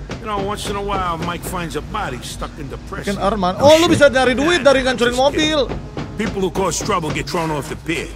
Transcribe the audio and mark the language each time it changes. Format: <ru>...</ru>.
<en>You know, once in a while, Mike finds a body stuck in depression. Ken Arman.</en> <id>Oh, lu bisa nyari duit dari ngancurin mobil.</id> <en>People who cause trouble get thrown off the pier.</en>